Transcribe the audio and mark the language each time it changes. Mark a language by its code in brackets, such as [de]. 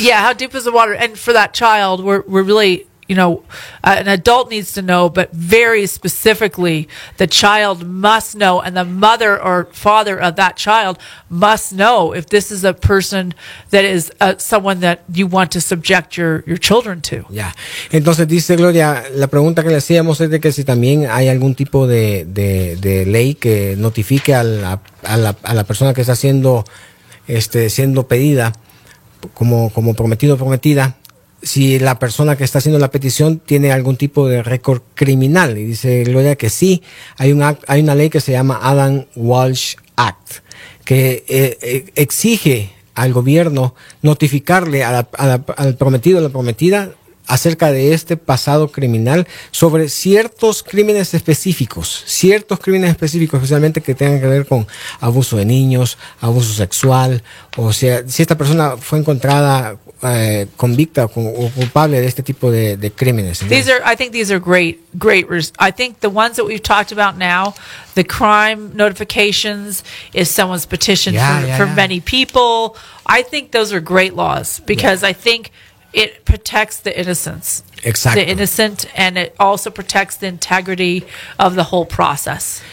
[en] Yeah, how deep is the water? And for that child, we're really... an adult needs to know, but very specifically, the child must know, and the mother or father of that child must know if this is a person that is someone that you want to subject your children to. Yeah. [es] Entonces dice Gloria, la pregunta que le hacíamos es de que si también hay algún tipo de ley que notifique a la persona que está siendo pedida como prometido o prometida. Si la persona que está haciendo la petición tiene algún tipo de récord criminal, y dice Gloria que sí, hay una ley que se llama Adam Walsh Act, que exige al gobierno notificarle al prometido o la prometida acerca de este pasado criminal sobre ciertos crímenes específicos, especialmente que tengan que ver con abuso de niños, abuso sexual, o sea, si esta persona fue encontrada convicta o culpable de este tipo de crímenes. [en] I think these are great. I think the ones that we've talked about now, the crime notifications, is someone's petition for many people. I think those are great laws because I think it protects the innocence. Exactly. The innocent, and it also protects the integrity of the whole process.